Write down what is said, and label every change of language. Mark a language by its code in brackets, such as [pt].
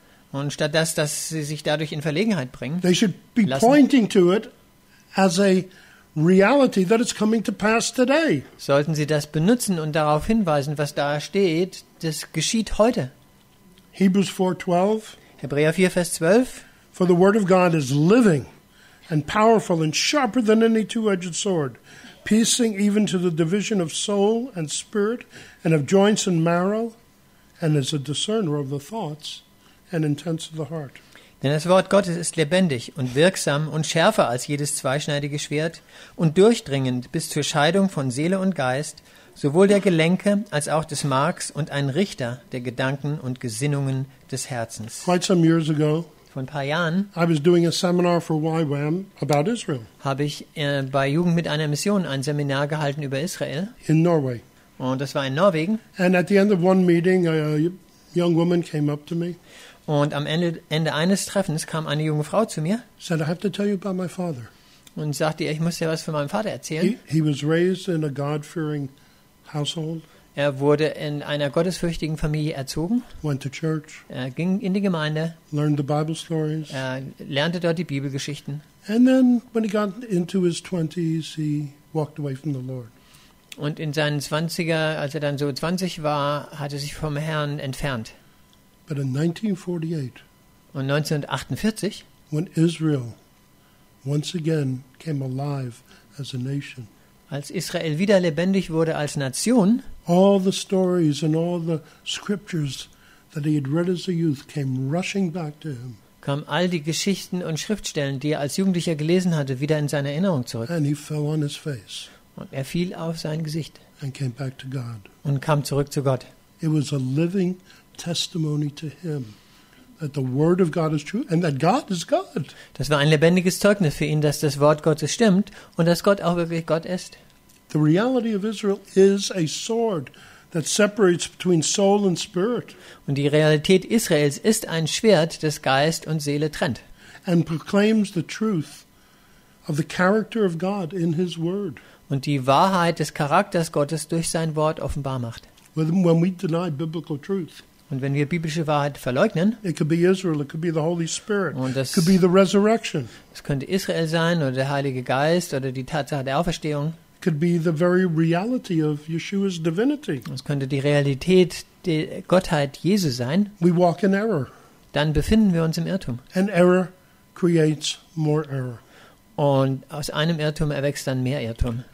[de] und statt dass sie sich dadurch in Verlegenheit bringen, [en] they should be lassen, pointing to it as a reality that it's coming to pass today. [de] Sollten sie das benutzen und darauf hinweisen, was da steht, das geschieht heute. Hebräer 4, Vers 12. [en] For the word of God is living and powerful and sharper than any two-edged sword, piercing even to the division of soul and spirit and of joints and marrow, and is a discerner of the thoughts and intents of the heart. [de] Denn das Wort Gottes ist lebendig und wirksam und schärfer als jedes zweischneidige Schwert und durchdringend bis zur Scheidung von Seele und Geist, sowohl der Gelenke als auch des Marks und ein Richter der Gedanken und Gesinnungen des Herzens. [en] Quite some years ago, [de] vor ein paar Jahren, [en] I was doing a seminar for YWAM about Israel. [de] Habe ich bei Jugend mit einer Mission ein Seminar gehalten über Israel. [en] In Norway. [de] Und das war in Norwegen. [en] And at the end of one meeting, a young woman came up to me. [de] Und am Ende eines Treffens kam eine junge Frau zu mir. [en] Said, I have to tell you about my father. [de] Und sagte, ich muss dir was von meinem Vater erzählen. [en] He was raised in a God-fearing household. [de] Er wurde in einer gottesfürchtigen Familie erzogen. [en] Went to church. [de] Er ging in die Gemeinde. [en] Learned the Bible stories. [de] Er lernte dort die Bibelgeschichten. [en] And then when he got into his 20s, he walked away from the Lord. [de] Und in seinen 20er, als er dann so 20 war, hat er sich vom Herrn entfernt. [en] But in 1948, [de] und 1948, [en] when Israel once again came alive as a nation, [de] als Israel wieder lebendig wurde als Nation, [en] all the stories and all the scriptures that he had read as a youth came rushing back to him. [de] Kam all die Geschichten und Schriftstellen, die er als Jugendlicher gelesen hatte, wieder in seine Erinnerung zurück. [en] And he fell on his face. [de] Und er fiel auf sein Gesicht. [en] And came back to God. [de] Und kam zurück zu Gott. [en] It was a living testimony to him that the word of God is true and that God is God. [de] Das war ein lebendiges Zeugnis für ihn, dass das Wort Gottes stimmt und dass Gott auch wirklich Gott ist. [en] The reality of Israel is a sword that separates between soul and spirit. [de] Und die Realität Israels ist ein Schwert, das Geist und Seele trennt. [en] And proclaims the truth of the character of God in his word. [de] Und die Wahrheit des Charakters Gottes durch sein Wort offenbar macht. [en] When we deny biblical truth, [de] und wenn wir biblische Wahrheit verleugnen, [en] it could be Israel, it could be the Holy Spirit, [de] das, [en] it could be the resurrection. [de] Es könnte Israel sein oder der Heilige Geist oder die Tatsache der Auferstehung. [en] It could be the very reality of Yeshua's divinity. [de] Es könnte die Realität der Gottheit Jesu sein. [en] We walk in error. [de] Dann befinden wir uns im Irrtum. [en] And error creates more error. [de] Und aus einem Irrtum erwächst dann mehr Irrtum.